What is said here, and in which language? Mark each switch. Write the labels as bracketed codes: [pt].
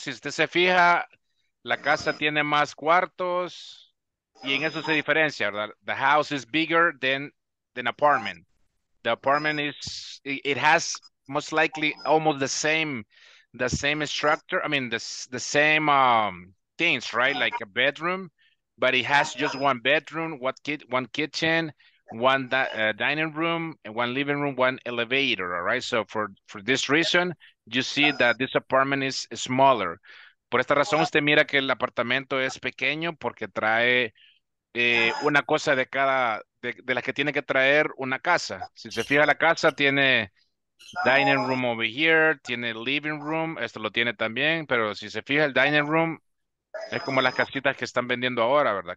[es] Si usted se fija, la casa tiene más cuartos. Y en eso se diferencia, ¿verdad? [en] The house is bigger than apartment. The apartment is, it has most likely almost the same structure. I mean, the same things, right? Like a bedroom, but it has just one bedroom, one kitchen, one dining room, and one living room, one elevator, all right? So for this reason, you see that this apartment is smaller. [es] Por esta razón, usted mira que el apartamento es pequeño porque trae una cosa de cada, de las que tiene que traer una casa. Si se fija, la casa tiene [en] dining room over here, [es] tiene living room, esto lo tiene también, pero si se fija, el dining room es como las casitas que están vendiendo ahora, ¿verdad?